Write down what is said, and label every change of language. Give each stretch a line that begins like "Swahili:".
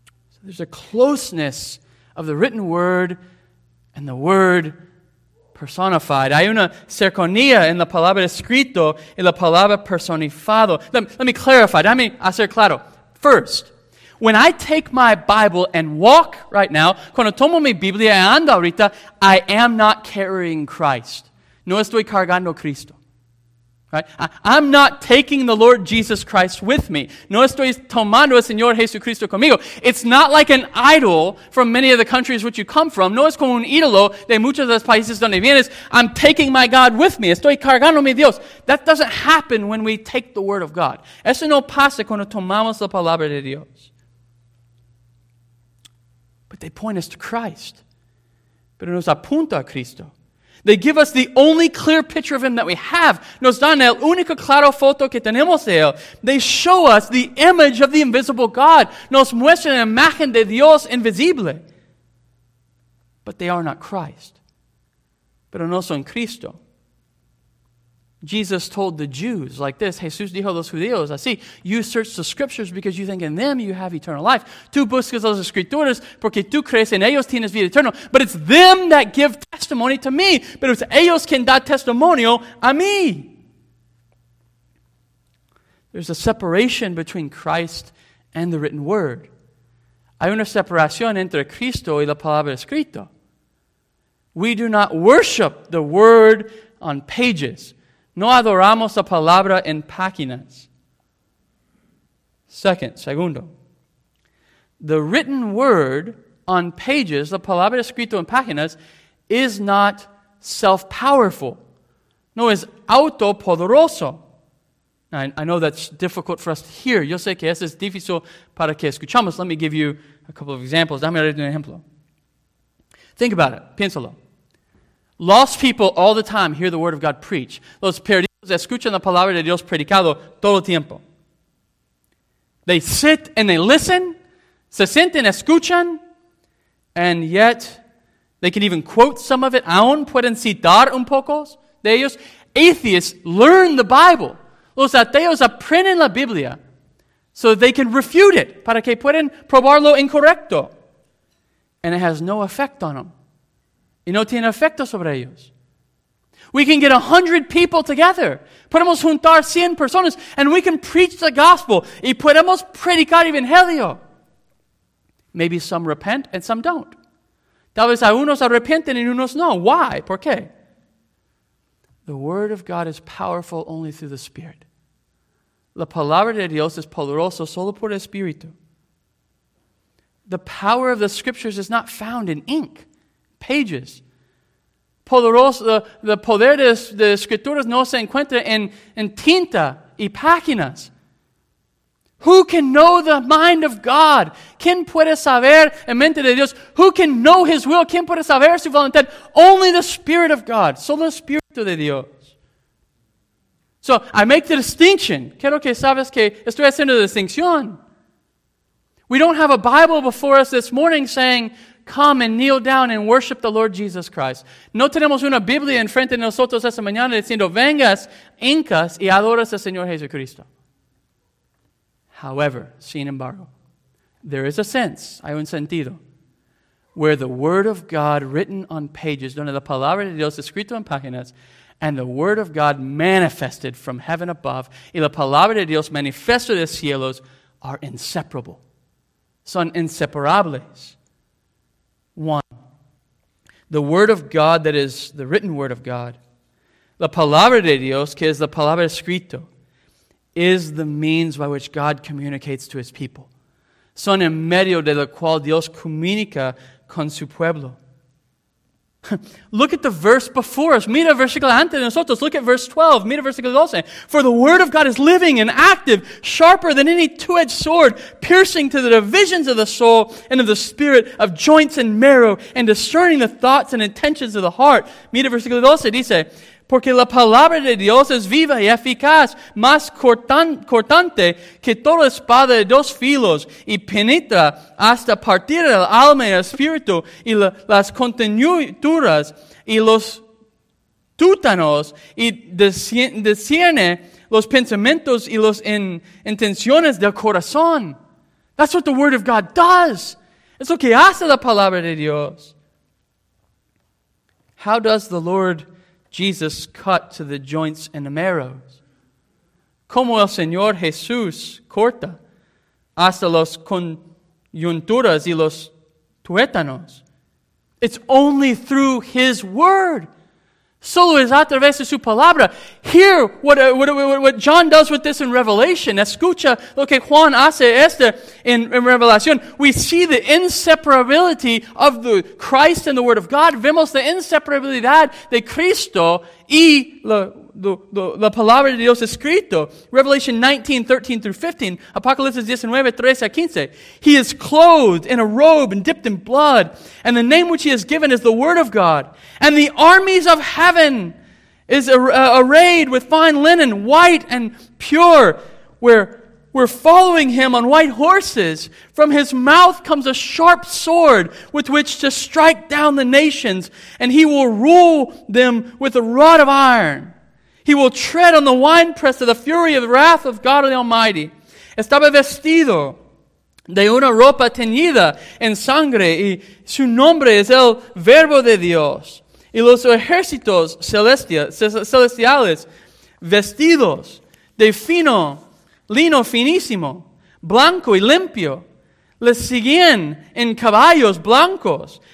English: So there's a closeness of the written Word and the Word personified.
Spanish: Hay una cercanía en la palabra escrito y la palabra personificado.
English: Let me clarify. Let me
Spanish: hacer claro.
English: First, when I take my Bible and walk right now,
Spanish: cuando tomo mi Biblia y ando ahorita,
English: I am not carrying Christ.
Spanish: No estoy cargando Cristo.
English: Right? I'm not taking the Lord Jesus Christ with me.
Spanish: No estoy tomando el Señor Jesucristo conmigo.
English: It's not like an idol from many of the countries which you come from.
Spanish: No es como un ídolo de muchos de los países donde vienes.
English: I'm taking my God with me.
Spanish: Estoy cargando mi Dios.
English: That doesn't happen when we take the Word of God.
Spanish: Eso no pasa cuando tomamos la palabra de Dios.
English: But they point us to Christ.
Spanish: Pero nos apunta a Cristo.
English: They give us the only clear picture of Him that we have.
Spanish: Nos dan el único claro foto que tenemos de Él.
English: They show us the image of the invisible God.
Spanish: Nos muestran la imagen de Dios invisible.
English: But they are not Christ.
Spanish: Pero no son Cristo.
English: Jesus told the Jews like this.
Spanish: Jesús dijo a los judíos así.
English: You search the scriptures because you think in them you have eternal life.
Spanish: Tú buscas las escrituras porque tú crees en ellos tienes vida eterna.
English: But it's them that give testimony to me.
Spanish: Pero es ellos quien da testimonio a mí.
English: There's a separation between Christ and the written word.
Spanish: Hay una separación entre Cristo y la palabra escrito.
English: We do not worship the word on pages.
Spanish: No adoramos la palabra en páginas. Segundo.
English: The written word on pages,
Spanish: la palabra escrito en páginas,
English: is not self-powerful.
Spanish: No es autopoderoso.
English: Now, I know that's difficult for us to hear.
Spanish: Yo sé que eso es difícil para que escuchamos.
English: Let me give you a couple of examples.
Spanish: Dame un ejemplo.
English: Think about it.
Spanish: Piénsalo.
English: Lost people all the time hear the Word of God preach.
Spanish: Los perdidos escuchan la palabra de Dios predicado todo el tiempo.
English: They sit and they listen,
Spanish: se sienten, escuchan,
English: and yet they can even quote some of it.
Spanish: Aún pueden citar un poco de ellos.
English: Atheists learn the Bible.
Spanish: Los ateos aprenden la Biblia
English: so they can refute it,
Spanish: para que puedan probarlo incorrecto.
English: And it has no effect on them.
Spanish: Y no tiene efecto sobre ellos.
English: We can get 100 people together.
Spanish: Podemos juntar 100 personas.
English: And we can preach the gospel.
Spanish: Y podemos predicar el evangelio.
English: Maybe some repent and some don't.
Spanish: Tal vez a unos arrepienten y unos no.
English: Why?
Spanish: ¿Por qué?
English: The word of God is powerful only through the Spirit.
Spanish: La palabra de Dios es poderosa solo por el Espíritu.
English: The power of the scriptures is not found in ink, pages.
Spanish: The poder de las escrituras no se encuentra en tinta y páginas.
English: Who can know the mind of God?
Spanish: ¿Quién puede saber la mente de Dios?
English: Who can know His will?
Spanish: ¿Quién puede saber su voluntad?
English: Only the Spirit of God.
Spanish: Solo el Espíritu de Dios.
English: So, I make the distinction.
Spanish: Quiero que sabes que estoy haciendo la distinción.
English: We don't have a Bible before us this morning saying, come and kneel down and worship the Lord Jesus Christ.
Spanish: No tenemos una Biblia enfrente de nosotros esta mañana diciendo, vengas, hincas y adoras al Señor Jesucristo.
English: However,
Spanish: sin embargo,
English: there is a sense,
Spanish: hay un sentido,
English: where the Word of God written on pages,
Spanish: donde la palabra de Dios escrito en páginas,
English: and the Word of God manifested from heaven above,
Spanish: y la palabra de Dios manifiesto de cielos,
English: are inseparable.
Spanish: Son inseparables.
English: One, the Word of God that is the written Word of God,
Spanish: la palabra de Dios, que es la palabra escrito,
English: is the means by which God communicates to His people.
Spanish: Son en medio de lo cual Dios comunica con su pueblo.
English: Look at the verse before us.
Spanish: Mira el versículo antes de nosotros.
English: Look at verse 12.
Spanish: Mira el versículo 12.
English: For the word of God is living and active, sharper than any two-edged sword, piercing to the divisions of the soul and of the spirit, of joints and marrow, and discerning the thoughts and intentions of the heart.
Spanish: Mira el versículo 12. Dice, porque la palabra de Dios es viva y eficaz, más cortante que toda espada de dos filos, y penetra hasta partir el alma y el espíritu, y las contenturas y los tuétanos, y discierne los pensamientos y las intenciones del corazón.
English: That's what the Word of God does.
Spanish: Es lo que hace la palabra de Dios.
English: How does the Lord Jesus cut to the joints and the marrows?
Spanish: Como el Señor Jesús corta hasta las coyunturas y los tuétanos.
English: It's only through His Word.
Spanish: Solo es a través de su palabra.
English: Hear what John does with this in Revelation.
Spanish: Escucha lo que Juan hace este in Revelación.
English: We see the inseparability of the Christ and the Word of God.
Spanish: Vemos la inseparabilidad de Cristo y la palabra de Dios escrito.
English: Revelation 19, 13 through 15.
Spanish: Apocalipsis 19, 13 a 15.
English: He is clothed in a robe and dipped in blood. And the name which He has given is the Word of God. And the armies of heaven is arrayed with fine linen, white and pure. We're following Him on white horses. From His mouth comes a sharp sword with which to strike down the nations. And He will rule them with a rod of iron. He will tread on the winepress of the fury of the wrath of God the Almighty.
Spanish: Estaba vestido de una ropa teñida en sangre, y su nombre es el Verbo de Dios. Y los ejércitos celestiales, vestidos de fino lino finísimo, blanco y limpio, le siguen en caballos blancos.